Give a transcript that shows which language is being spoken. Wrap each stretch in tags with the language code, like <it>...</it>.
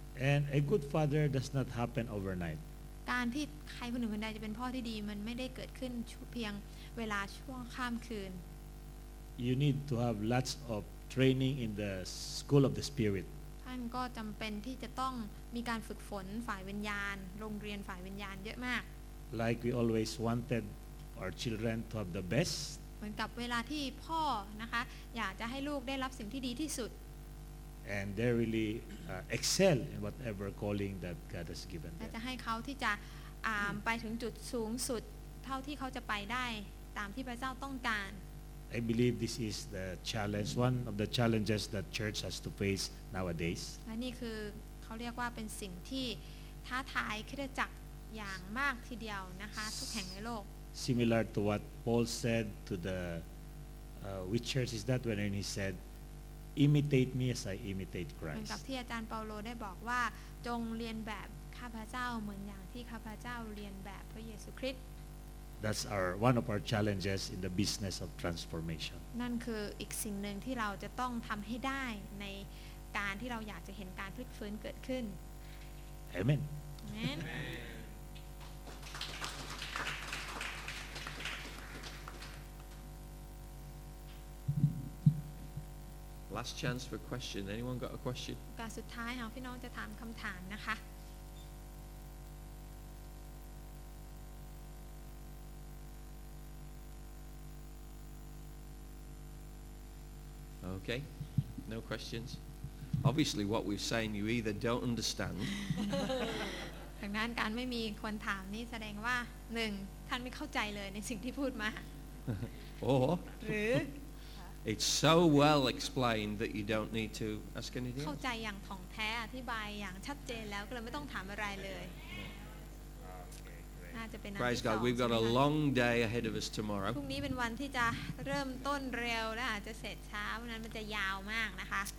<en>And a good father does not happen overnight.</en> <th>การที่ใครคนหนึ่งคนใดจะเป็นพ่อที่ดีมันไม่ได้เกิดขึ้นเพียงเวลาช่วงข้ามคืน</th> <en>You need to have lots of training in the school of the spirit</en> <th>ท่านก็จำเป็นที่จะต้องมีการฝึกฝนฝ่ายวิญญาณโรงเรียนฝ่ายวิญญาณเยอะมาก</th> <en>Like we always wanted our children to have the best</en> <th>เหมือนกับเวลาที่พ่อนะคะอยากจะให้ลูกได้รับสิ่งที่ดีที่สุด</th> <en>And they really excel in whatever calling that God has given them</en> <th>จะให้เขาที่จะไปถึงจุดสูงสุดเท่าที่เขาจะไปได้ตามที่พระเจ้าต้องการ</th> <en>I believe this is the challenge one of the challenges that church has to face nowadays</en> <th>และนี่คือเขาเรียกว่าเป็นสิ่งที่ท้าทายคริสตจักรอย่างมากทีเดียวนะคะทุกแห่งในโลก</th> <en>Similar to what Paul said to the which church is that when he said imitate me as I imitate Christ</en> <th>เหมือนกับที่อาจารย์เปาโลได้บอกว่าจงเรียนแบบข้าพเจ้าเหมือนอย่างที่ข้าพเจ้าเรียนแบบพระเยซูคริสต์</th> <en>That's our one of our challenges in the business of transformation.</en> <th>นั่นคืออีกสิ่งหนึ่งที่เราจะต้องทำให้ได้ในการที่เราอยากจะเห็นการพลิกฟื้นเกิดขึ้น</th> <en>Amen. Amen. Last chance for question. Anyone got a question?</en> <th>โอกาสสุดท้ายค่ะพี่น้องจะถามคำถามนะคะ</th> <en>Okay, no questions. Obviously, what we're saying, you either don't understand.</en> <th>ดังนั้นการไม่มีคนถามนี่แสดงว่าหนึ่งท่านไม่เข้าใจเลยในสิ่งที่พูดมา</th> <en>Or it's so well explained that you don't need to ask anything.</en> <th>เข้าใจอย่างถ่องแท้อธิบายอย่างชัดเจนแล้วก็เลยไม่ต้องถามอะไรเลย</th> <en>Praise God, we've got a long day ahead of us tomorrow.</en> <th>พรุ่งนี้เป็นวันที่จะเริ่มต้นเร็วและอาจจะเสร็จช้าเพราะนั้นมันจะยาวมากนะคะ</th>